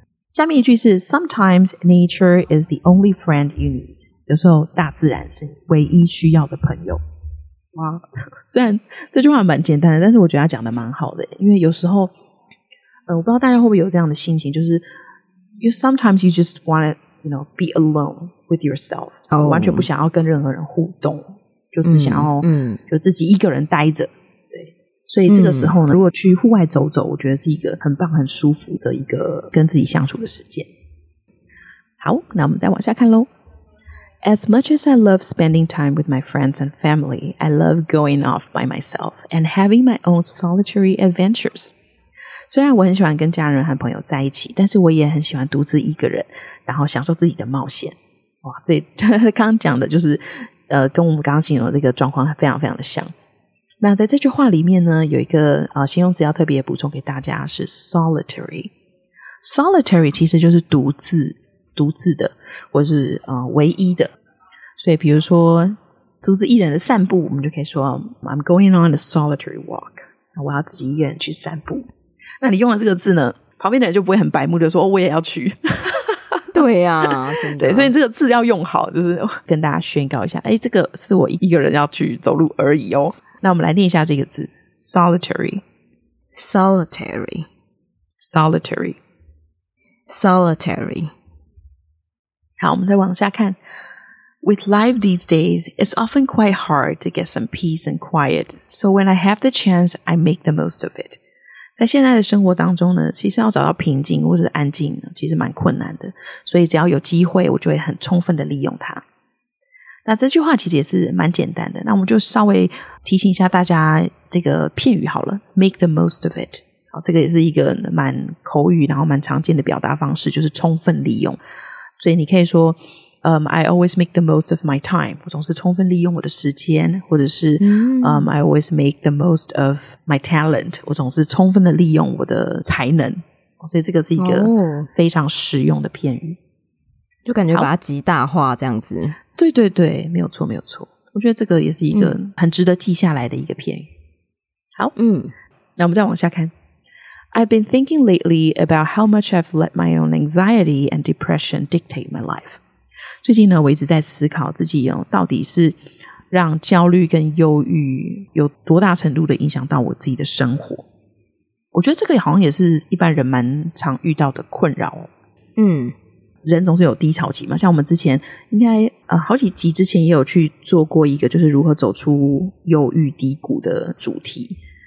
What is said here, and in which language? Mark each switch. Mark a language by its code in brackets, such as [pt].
[zh] 下面一句是 [en] Sometimes nature is the only friend you need. [zh] 有时候大自然是唯一需要的朋友。哇，虽然这句话蛮简单的，但是我觉得他讲的蛮好的。因为有时候我不知道大家会不会有这样的心情，就是 [en] you sometimes you just want to, you know, be alone with yourself.、 Oh. [zh] 完全不想要跟任何人互动，就只想要就自己一个人待着。所以这个时候呢，如果去户外走走，我觉得是一个很棒很舒服的一个跟自己相处的时间。好，那我们再往下看咯。 [en] As much as I love spending time with my friends and family, I love going off by myself and having my own solitary adventures. [zh] 虽然我很喜欢跟家人和朋友在一起，但是我也很喜欢独自一个人，然后享受自己的冒险。哇，所以刚刚讲的就是跟我们刚刚形容的这个状况非常非常的像。那在这句话里面呢，有一个形容词要特别补充给大家，是 solitary。 solitary 其实就是独自，独自的，或是唯一的。所以比如说独自一人的散步，我们就可以说 [en] I'm going on a solitary walk， [zh] 我要自己一个人去散步。那你用了这个字呢，旁边的人就不会很白目的说、哦、我也要去。对啊，对，所以这个字要用好，就是跟大家宣告一下，哎，这个是我一个人要去走路而已哦。那我们来念一下这个字 solitary [en] solitary solitary solitary。 [zh] 好，我们再往下看。 [en] With life these days, it's often quite hard to get some peace and quiet, so when I have the chance, I make the most of it. [zh] 在现在的生活当中呢，其实要找到平静或者安静其实蛮困难的，所以只要有机会，我就会很充分的利用它。那这句话其实也是蛮简单的，那我们就稍微提醒一下大家这个片语好了， make the most of it。好，这个也是一个蛮口语然后蛮常见的表达方式，就是充分利用。所以你可以说、 [en] I always make the most of my time， [zh] 我总是充分利用我的时间，或者是、 [en] I always make the most of my talent， [zh] 我总是充分的利用我的才能。所以这个是一个非常实用的片语、哦、就感觉把它极大化这样子。对对对，没有错没有错，我觉得这个也是一个很值得记下来的一个片语。好，那我们再往下看。 [en] I've been thinking lately about how much I've let my own anxiety and depression dictate my life. [zh] 最近呢，我一直在思考自己、哦、到底是让焦虑跟忧郁有多大程度的影响到我自己的生活。我觉得这个好像也是一般人蛮常遇到的困扰。人总是有低潮期嘛，像我们之前应该好几集之前也有去做过一个就是如何走出忧郁低谷的主题。